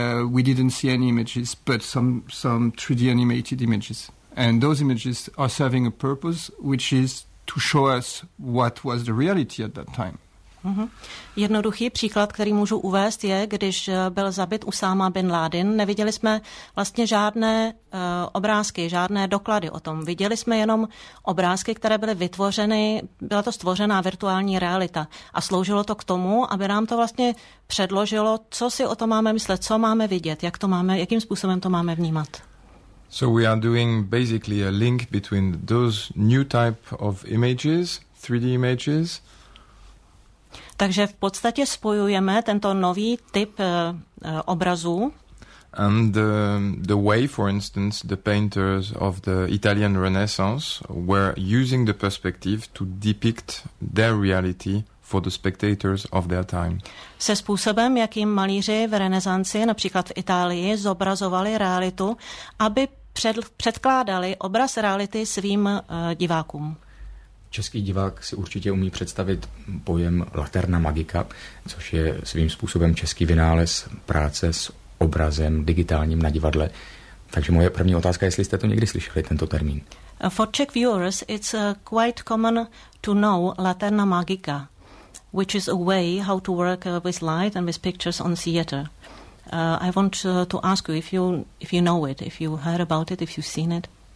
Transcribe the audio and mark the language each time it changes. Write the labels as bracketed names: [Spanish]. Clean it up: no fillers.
[English] We didn't see any images, but some 3D animated images. And those images are serving a purpose, which is to show us what was the reality at that time. [Czech] Jednoduchý příklad, který můžu uvést, je, když byl zabit Usáma bin Ládin, neviděli jsme vlastně žádné obrázky, žádné doklady o tom. Viděli jsme jenom obrázky, které byly vytvořeny, byla to stvořená virtuální realita. A sloužilo to k tomu, aby nám to vlastně předložilo, co si o tom máme myslet, co máme vidět, jak to máme, jakým způsobem to máme vnímat. [English] So we are doing basically a link between those new type of images, 3D images. [Czech] Takže v podstatě spojujeme tento nový typ obrazů. [English] And the way, for instance, the painters of the Italian Renaissance were using the perspective to depict their reality for the spectators of their time. [Czech] Se způsobem, jakým malíři v renesanci, například v Itálii, zobrazovali realitu, aby předkládali obraz reality svým divákům. Český divák si určitě umí představit pojem Laterna Magica, což je svým způsobem český vynález práce s obrazem digitálním na divadle. Takže moje první otázka, jestli jste to někdy slyšeli, tento termín. [English] For Czech viewers, it's quite common to know Laterna Magica, which is a way how to work with light and with pictures on theater. I want to ask you if you know it, if you heard about it, if you've seen it.